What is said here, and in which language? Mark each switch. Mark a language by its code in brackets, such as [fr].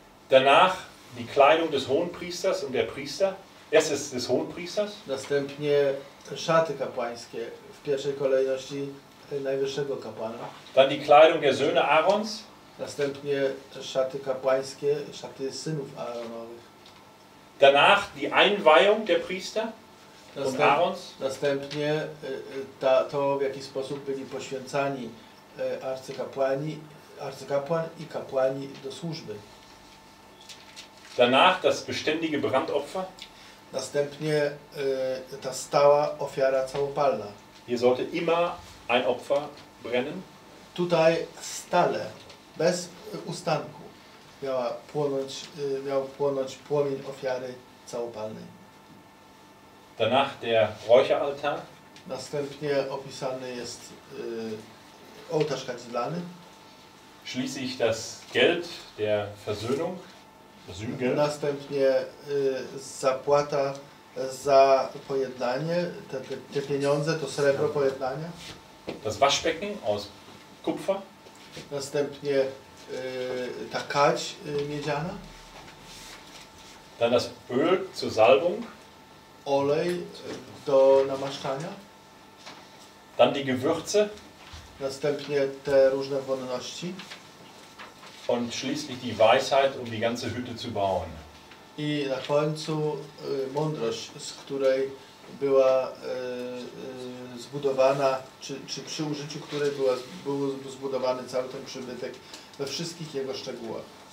[de] Danach die Kleidung des Hohenpriesters und der Priester. Erstens des Hohenpriesters. [pl] Następnie szaty kapłańskie w pierwszej kolejności najwyższego kapłana. [de] Dann die Kleidung der Söhne Aarons. [pl] Następnie szaty kapłańskie, szaty synów Aaronowych. [de] Danach die Einweihung der Priester. [pl] Następnie to, w jaki sposób byli poświęcani arcykapłani, arcykapłan i kapłani do służby. [de] Danach das beständige Brandopfer. [pl] Następnie ta stała ofiara całopalna. [de] Hier sollte immer ein Opfer brennen. [pl] Tutaj stale, bez ustanku, miał płonąć płomień ofiary całopalnej. [de] Danach der Räucheraltar. [pl] Następnie opisany jest ołtarz kadzidlany. [de] Schließlich das Geld der Versöhnung. Sühngeld. [pl] Następnie zapłata za pojednanie, te pieniądze, to srebro pojednania. [de] Das Waschbecken aus Kupfer. [pl] Następnie ta kadź miedziana. [de] Dann das Öl zur Salbung. [pl] Olej do namaszczania. [de] Dann die Gewürze. [pl] Następnie te różne wonności. [de] Und schließlich die Weisheit, um die ganze Hütte zu bauen. [pl] I na końcu mądrość, z której była zbudowana, czy przy użyciu której był zbudowany cały ten przybytek we wszystkich jego szczegółach.